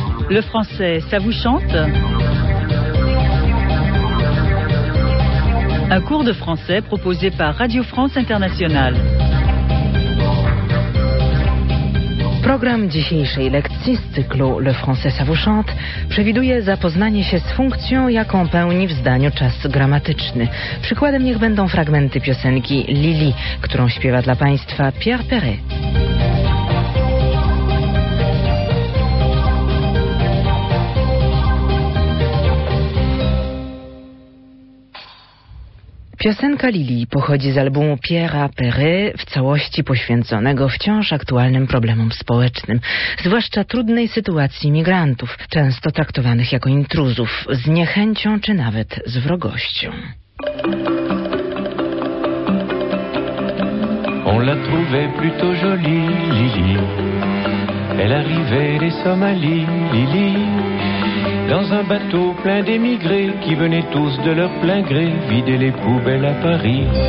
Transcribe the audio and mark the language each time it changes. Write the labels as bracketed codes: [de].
[fr] Le français, ça vous chante ? Un cours de français proposé par Radio France Internationale. [pl] Program dzisiejszej lekcji z cyklu Le Français ça vous chante przewiduje zapoznanie się z funkcją, jaką pełni w zdaniu czas gramatyczny. Przykładem niech będą fragmenty piosenki Lili, którą śpiewa dla Państwa Pierre Perret. Piosenka Lili pochodzi z albumu Pierre'a Perret, w całości poświęconego wciąż aktualnym problemom społecznym, zwłaszcza trudnej sytuacji migrantów, często traktowanych jako intruzów, z niechęcią czy nawet z wrogością. [fr] On la trouvait plutôt jolie, Lili. Elle arrivait des Somalies, Lili. Dans un bateau plein d'émigrés qui venaient tous de leur plein gré vider les poubelles à Paris.